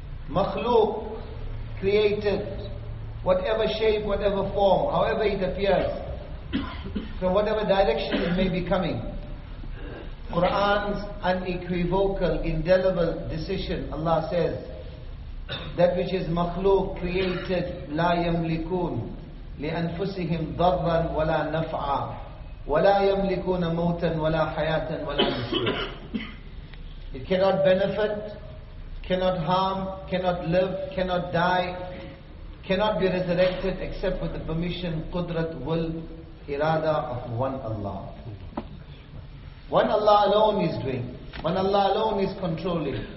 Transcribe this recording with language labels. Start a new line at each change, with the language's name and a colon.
English: Makhluq, created, whatever shape, whatever form, however it appears, from whatever direction it may be coming. Quran's unequivocal, indelible decision, Allah says, that which is makhluq, created, la yamlikun,
Arabic: لأنفسهم ضرا ولا نفعا ولا يملكون موتا ولا حياة ولا نشورا.
English: It cannot benefit, cannot harm, cannot live, cannot die, cannot be resurrected except with the permission, qudrat, will, irada of one Allah. One Allah alone is doing, one Allah alone is controlling.